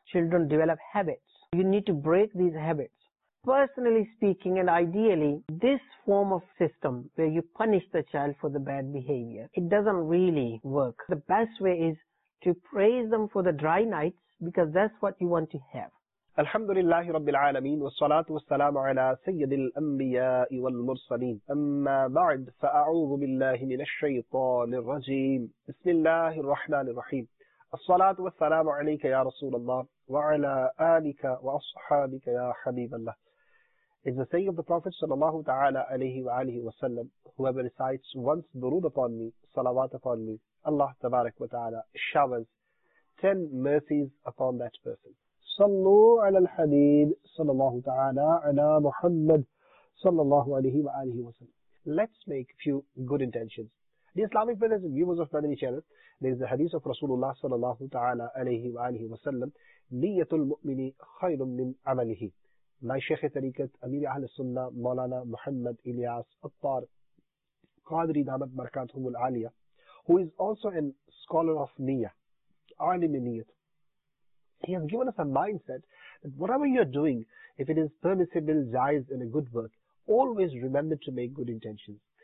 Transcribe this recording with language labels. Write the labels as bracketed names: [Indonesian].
[English] Children develop habits. You need to break these habits. Personally speaking and ideally, this form of system where you punish the child for the bad behavior, it doesn't really work. The best way is to praise them for the dry nights because that's what you want to have. [Arabic] الحمد لله رب العالمين والصلاة والسلام على سيد الأنبياء والمرسلين أما بعد فأعوذ بالله من الشيطان الرجيم بسم الله الرحمن الرحيم الصلاة والسلام عليك يا رسول الله وعلى آلك وأصحابك يا حبيب الله [English] is the saying of the Prophet صلى الله تعالى عليه وآله وسلم whoever recites once درود upon me صلوات upon me Allah تبارك وتعالى showers 10 mercies upon that person [Arabic] صلوا على الحبيب صلى الله تعالى على محمد صلى الله عليه وآله وسلم [English] Let's make few good intentions. The Islamic brothers and viewers of Madani channel, there is a hadith of Rasulullah صلى الله تعالى عليه وآله وسلم [Arabic] نية المؤمن خير من عمله [English] My Shaykh Tariqat Amir Ahl Sunnah Maulana Muhammad Ilyas Attar Qadri Damat Barakatuhum Al-Aliya who is also a scholar of Niyya Alim Niyyat He has given us a mindset that whatever you are doing, if it is permissible, jais, and a good work, always remember to make good intentions.